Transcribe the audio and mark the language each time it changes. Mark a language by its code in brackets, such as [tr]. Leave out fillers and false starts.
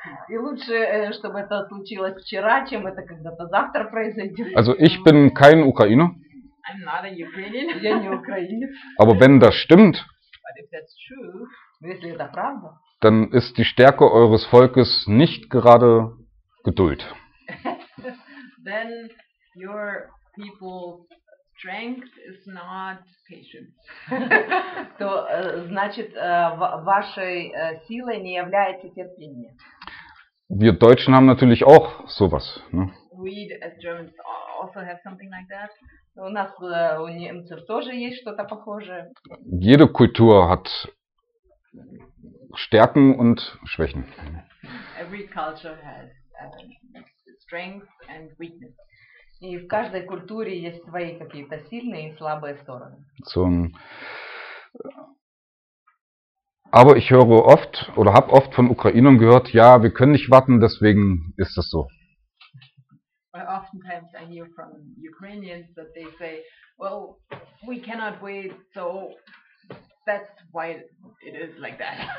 [ru] и лучше чтобы это случилось вчера, чем это когда-то завтра произойдет. [de] Also ich bin kein Ukrainer. [en] I'm not a Ukrainian. [ru] Я не украинец. [de] Aber wenn das stimmt, [en] but if that's true, [ru] если это правда, [de] dann ist die Stärke eures Volkes nicht gerade Geduld. [en] Then your people strength is not patience. [ru] То значит, вашей силой не является терпение. [de] Wir Deutschen haben natürlich auch sowas, ne? [en] We as Germans also have something like that. [ru] У нас у немцев тоже есть что-то похожее. [de] Jede Kultur hat Stärken und Schwächen. [en] Every culture has its strengths and weaknesses. [ru] И в каждой культуре есть свои какие-то сильные и слабые стороны. [de] So, aber ich höre oft oder habe oft von Ukrainern gehört, ja, wir können nicht warten, deswegen ist das so. [en] But oftentimes I hear from Ukrainians that they say, well, we cannot wait, so that's why it is like that.